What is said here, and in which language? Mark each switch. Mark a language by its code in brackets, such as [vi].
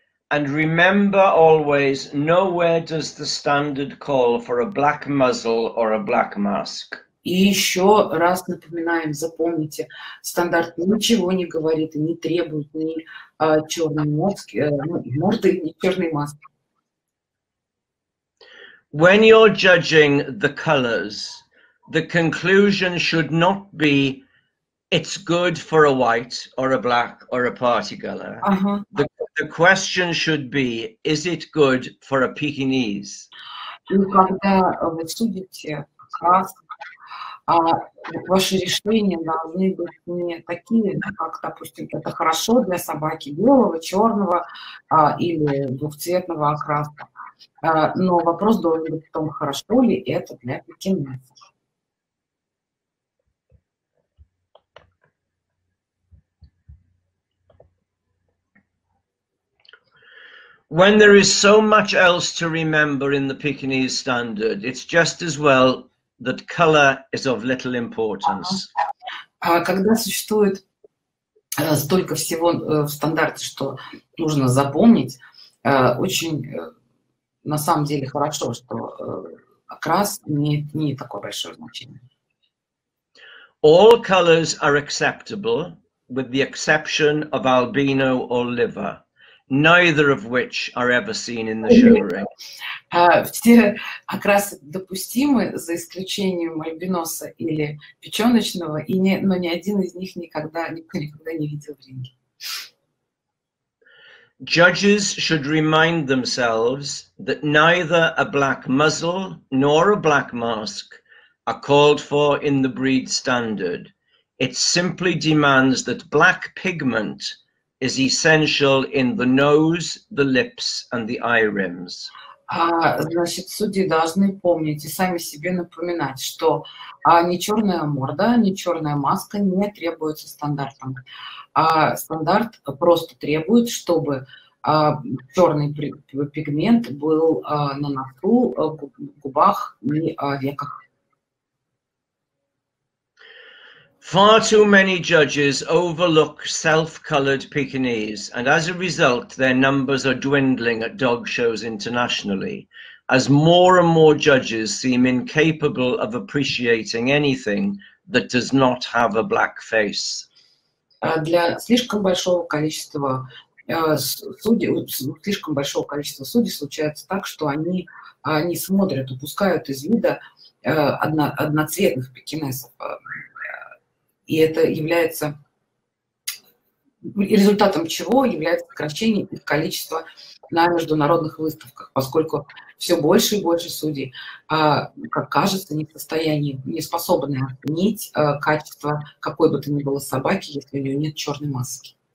[en] And remember always, nowhere does the standard call for a black muzzle or a black mask. [ru] И еще раз напоминаем, запомните, стандарт ничего не говорит и не требует ни черной морды, ни черной маски. [en] When you're judging the colors, the conclusion should not be it's good for a white or a black or a party color. The question should be, is it good for a Pekinese? [ru] Когда вы судите краски, ваши решения должны быть не такие, как, допустим, это хорошо для собаки белого, черного или двухцветного окраска. Но вопрос должен быть в том, хорошо ли это для Пекинеса. [en] When there is so much else to remember in the Pekinese standard, it's just as well that color is of little importance. [ru] Когда существует столько всего в стандарте, что нужно запомнить, очень на самом деле хорошо, что окрас имеет не такое большое значение. [en] All colors are acceptable, with the exception of albino or liver. Neither of which are ever seen in the show ring. [ru] Все окрасы допустимы, за исключением альбиноса или печёночного, но ни один из них никогда не видел в ринге. [en] Judges should remind themselves that neither a black muzzle nor a black mask are called for in the breed standard. It simply demands that black pigment is essential in the nose, the lips, and the eye rims. [ru] Значит, судьи должны помнить и сами себе напоминать, что ни черная морда, ни черная маска не требуются стандартом. Стандарт просто требует, чтобы черный пигмент был на носу, губах и веках. [en] Far too many judges overlook self-colored Pekinese, and as a result, their numbers are dwindling at dog shows internationally, as more and more judges seem incapable of appreciating anything that does not have a black face. [ru] Для слишком большого количества судей случается так, что они смотрят, упускают из вида одноцветных пекинесов. И это является результатом чего является сокращение их количества на международных выставках, поскольку все больше и больше судей, как кажется, не в состоянии, не способны оценить качество какой бы то ни было собаки, если у нее нет черной маски.